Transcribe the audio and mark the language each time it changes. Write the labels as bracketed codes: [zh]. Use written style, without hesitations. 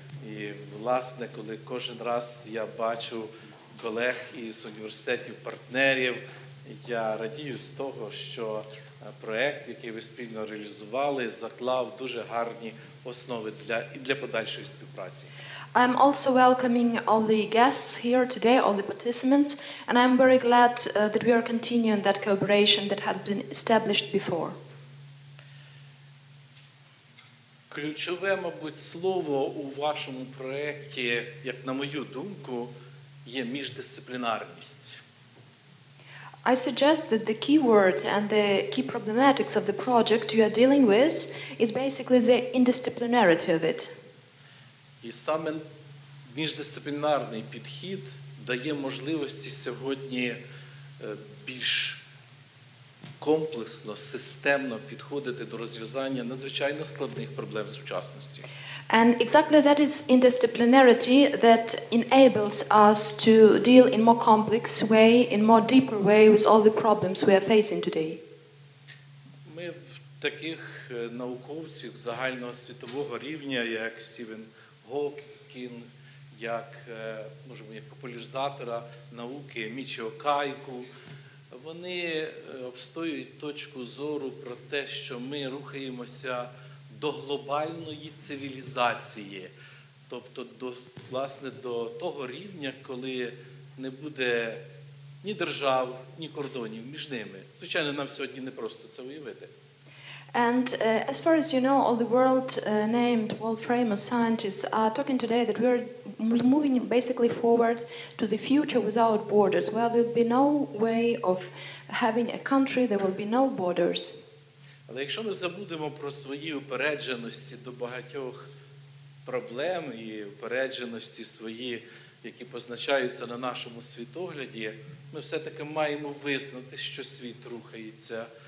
[uk] І, власне, коли кожен раз я бачу колег із університетів-партнерів, я радію з того, що проект, який ви спільно реалізували, заклав дуже гарні основи для і для подальшої співпраці. [en] I'm also welcoming all the guests here today, all the participants, and I'm very glad that we are continuing that cooperation that had been established before. [uk] Ключове, мабуть, слово у вашому проєкті, як на мою думку, є міждисциплінарність. [en] I suggest that the key word and the key problematics of the project you are dealing with is basically the interdisciplinarity of it. [uk] І саме міждисциплінарний підхід дає можливості сьогодні більш комплексно, системно підходити до розв'язання надзвичайно складних проблем сучасності. [en] And exactly that is interdisciplinarity that enables us to deal in more complex way, in more deeper way with all the problems we are facing today. [uk] Ми в таких науковців загального світового рівня, як Стівен Гокінг, як, можемо, як популяризатора науки Мічіо Кайку, вони обстоюють точку зору про те, що ми рухаємося до глобальної цивілізації, тобто до, власне, до того рівня, коли не буде ні держав, ні кордонів між ними. Звичайно, нам сьогодні не просто це уявити. [en] And as far as you know, all the world named world famous scientists are talking today that we're moving basically forward to the future without borders, where there will be no way of having a country, there will be no borders. [uk] Але якщо ми забудемо про свої упередженості до багатьох проблем і упередженості свої, які позначаються на нашому світогляді, ми все-таки маємо визнати, що світ рухається.